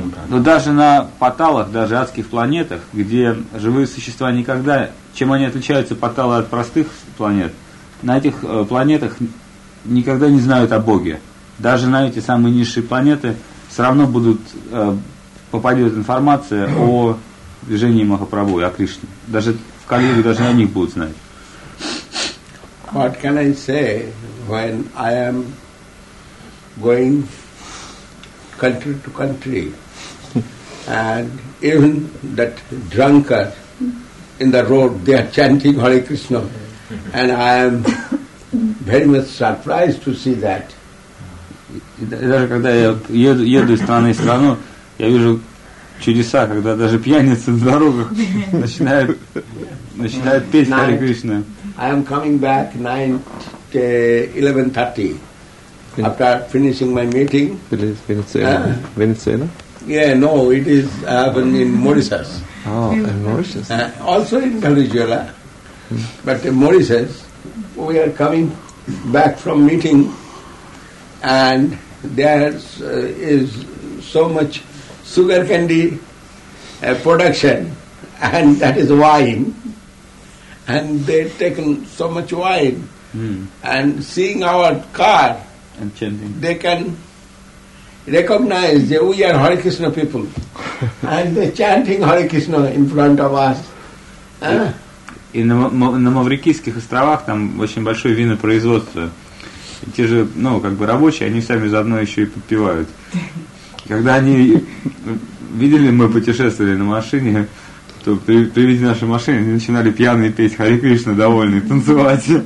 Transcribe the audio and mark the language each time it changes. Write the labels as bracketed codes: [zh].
[ru] Но даже на Паталах, даже адских планетах, где живые существа никогда, чем они отличаются Паталы от простых планет, на этих планетах никогда не знают о Боге. Даже на эти самые низшие планеты все равно будут попадет информация о движении Махапрабху и о Кришне. Даже в Кали-Югу даже о них будут знать. [en] What can I say when I am going country to country and even that drunkard in the road, they are chanting Hare Krishna and I am very much surprised to see that. [ru] Даже когда я еду из страны в страну, я вижу чудеса, когда даже пьяницы на дорогах начинают петь Hare Krishna. [en] I am coming back 9:11:30 after finishing my meeting. Venezuela? Yeah, no, it is happening in Mauritius. Oh, in Mauritius. Also in Venezuela, but in Mauritius, we are coming back from meeting. And there is so much sugar candy production, and that is wine. And they take so much wine, and seeing our car, and chanting, they can recognize that we are Hare Krishna people, and they're chanting Hare Krishna in front of us. [ru] И на Маврикийских островах там очень большое винопроизводство. Те же, ну, как бы рабочие, они сами заодно еще и подпевают. Когда они видели, мы путешествовали на машине, то при виде нашей машины они начинали пьяные петь Hare Krishna, довольные, танцевать.